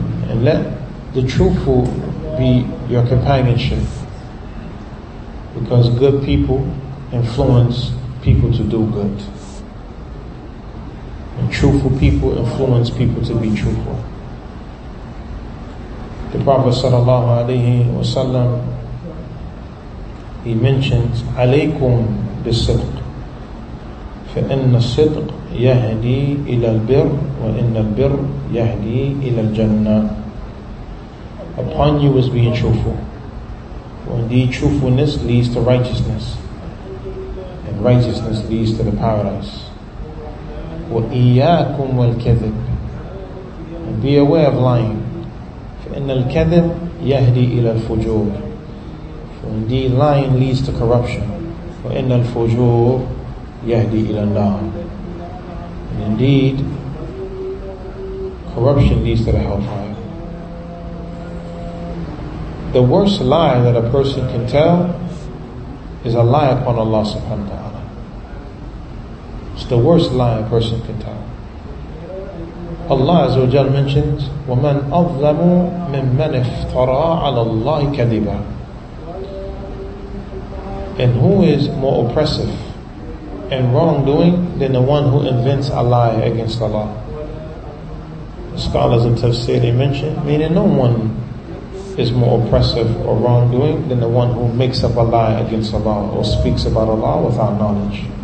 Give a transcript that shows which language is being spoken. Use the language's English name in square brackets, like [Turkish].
[English] And let the truthful be your companionship, because good people influence people to do good. And truthful people influence people to be truthful. The Prophet sallallahu alayhi wa sallam, he mentions, [Arabic] عَلَيْكُمْ بِالصِّدْقِ فَإِنَّ الصِّدْقِ يَهْدِي إِلَى الْبِرِّ وَإِنَّ الْبِرِّ يَهْدِي إِلَى الْجَنَّةِ. [English] Upon you is being truthful. For indeed truthfulness leads to righteousness, and righteousness leads to the paradise. [Arabic] وَإِيَّاكُمْ وَالْكَذِبِ. [English] And be aware of lying. [Arabic] فَإِنَّ الْكَذِبِ يَهْدِي إِلَى الْفُجُورِ. [English] Indeed, lying leads to corruption. [Arabic] وَإِنَّ الْفُجُورِ يَهْدِي إِلَى النَّارِ. [English] And indeed, corruption leads to the hellfire. The worst lie that a person can tell is a lie upon Allah subhanahu wa ta'ala. It's the worst lie a person can tell. [Arabic] Allah Azza wa Jalla [English] mentions, [Arabic] وَمَنْ أَظْلَمُ مِمَّنِ افْتَرَى عَلَى اللَّهِ كَذِبًا. [English] And who is more oppressive and wrongdoing than the one who invents a lie against Allah? The scholars in Tafsir, they mention, meaning no one is more oppressive or wrongdoing than the one who makes up a lie against Allah or speaks about Allah without knowledge.